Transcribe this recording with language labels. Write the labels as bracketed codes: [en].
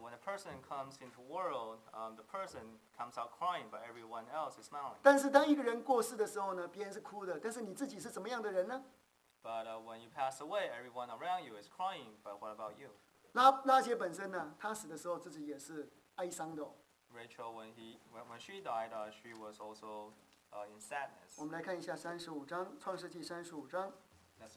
[en] when a person comes into world, the person comes out crying, but everyone else is smiling. [zh] 但是当一个人过世的时候呢，别人是哭的，但是你自己是怎么样的人呢？ [en] But when you pass away, everyone around you is crying, but what about you? [zh] 拉结本身呢，他死的时候自己也是哀伤的、哦。Rachel, [en] when she died, she was also in sadness. [zh] 我们来看一下35章，创世纪35章。Let's